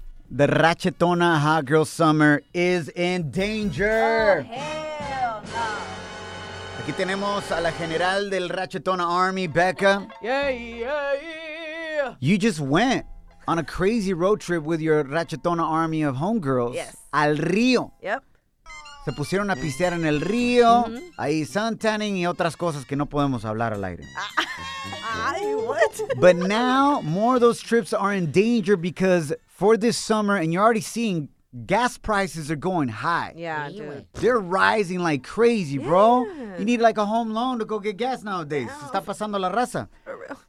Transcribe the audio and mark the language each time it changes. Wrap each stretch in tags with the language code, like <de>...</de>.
<en>The Ratchetona Hot Girl Summer is in danger. Oh, hell no.</en> <es>Aquí tenemos a la general del Ratchetona Army, Becca.</es> <en>Yeah. You just went on a crazy road trip with your Ratchetona army of homegirls. Yes.</en> <es>Al río.</es> <en>Yep.</en> <es>Se pusieron a pistear en el río. Mm-hmm. Ahí suntanning y otras cosas que no podemos hablar al aire.</es> <en>Ay, what? But now, more of those trips are in danger because for this summer, and you're already seeing, gas prices are going high. Yeah, dude. They're rising like crazy, bro. Yeah. You need like a home loan to go get gas nowadays.</en> <es>Se está pasando la raza.</es> <en>For real.</en>